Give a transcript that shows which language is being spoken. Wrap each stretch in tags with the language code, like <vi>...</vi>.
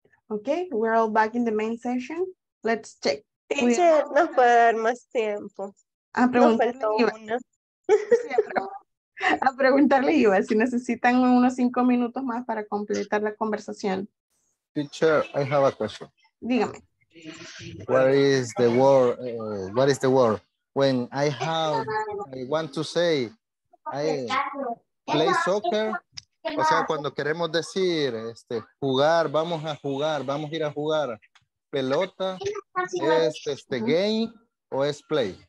<en>Okay, we're all back in the main session. Let's check.</en> <es>Teacher, no puede dar más tiempo. A preguntarle iba si necesitan unos 5 minutos más para completar la conversación.</es> <en>Teacher, I have a question.</en> <es>Dígame.</es> <en>What is the word? When I have, I want to say, I play soccer.</en> <es>O sea, cuando queremos decir, jugar, vamos a jugar, vamos a ir a jugar pelota, es game o es play?</es>